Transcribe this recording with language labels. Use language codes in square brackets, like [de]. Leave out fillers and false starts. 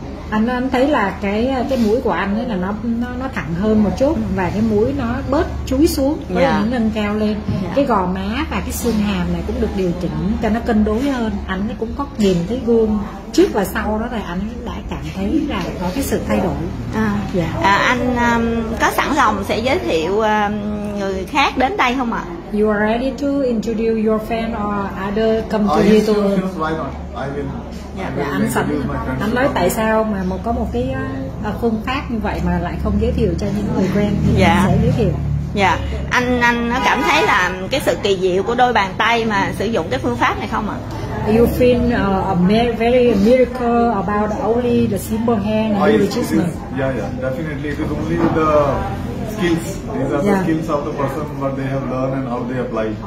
[vi] Anh thấy là cái mũi của anh ấy là nó thẳng hơn một chút, và cái mũi nó bớt chúi xuống, bớt nó nâng cao lên. Cái gò má và cái xương hàm này cũng được điều chỉnh cho nó cân đối hơn. Anh ấy cũng có nhìn thấy gương trước và sau đó, rồi anh đã cảm thấy là có cái sự thay đổi. Anh có sẵn lòng sẽ giới thiệu người khác đến đây không ạ? [en] You are ready to introduce your friend or other come to here to? I will [vi] sẵn. Anh nói tại sao mà có một cái phương pháp như vậy mà lại không giới thiệu cho những người quen thì sẽ giới thiệu. Anh nó cảm thấy là cái sự kỳ diệu của đôi bàn tay mà sử dụng cái phương pháp này không ạ? [en] You feel very miracle about only the simple hand and the chisel. Yeah, definitely. It is only the skills. These are the skills of the person, what they have learned and how they apply.